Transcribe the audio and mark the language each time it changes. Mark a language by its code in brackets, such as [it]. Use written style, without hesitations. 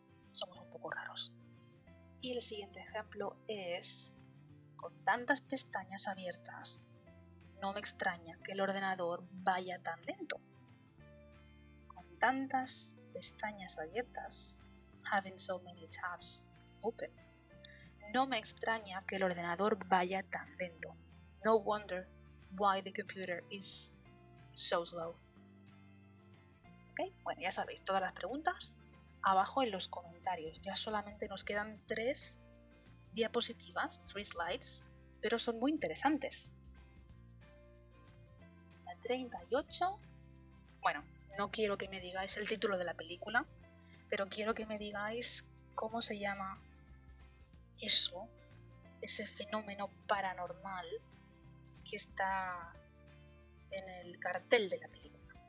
[es] Somos un poco raros. Y el siguiente ejemplo es: con tantas pestañas abiertas, no me extraña que el ordenador vaya tan lento. Con tantas pestañas abiertas, [en] having so many tabs open, [es] no me extraña que el ordenador vaya tan lento. [en] No wonder why the computer is so slow. Okay. [es] Bueno, ya sabéis, todas las preguntas abajo en los comentarios. Ya solamente nos quedan tres diapositivas, [en] three slides, [es] pero son muy interesantes. La 38. Bueno, no quiero que me digáis el título de la película, pero quiero que me digáis cómo se llama eso, ese fenómeno paranormal que está en el cartel de la película.